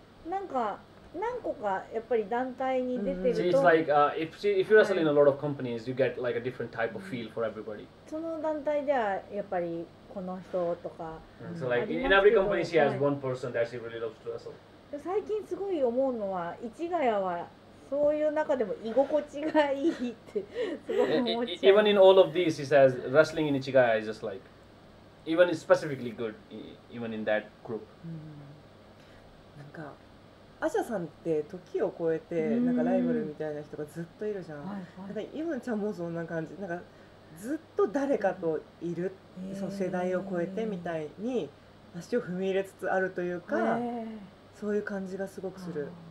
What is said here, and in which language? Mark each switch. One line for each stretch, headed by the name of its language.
Japanese: なんか何個かやっぱり団体に出てると
English: 、mm-hmm. like, if you're wrestling a lot of companies, you get like a different type of feel for everybody.
Japanese: その団体ではやっぱりこの人とか、
English: so like, in every company she has one person that she really loves to wrestle.
Japanese: 最近すごい思うのは、市ヶ谷はそういう中でも居心地がいいってすごい思っちゃう。
English: Even in all of these, she says wrestling in Ichigaya is just like even specifically good, even in that group.
Japanese: なんかアシャさんって時を超えてなんかライバルみたいな人がずっといるじゃん。なんか今ちゃんもそんな感じ、なんかずっと誰かといる、その世代を超えてみたいに足を踏み入れつつあるというか、そういう感じがすごくする。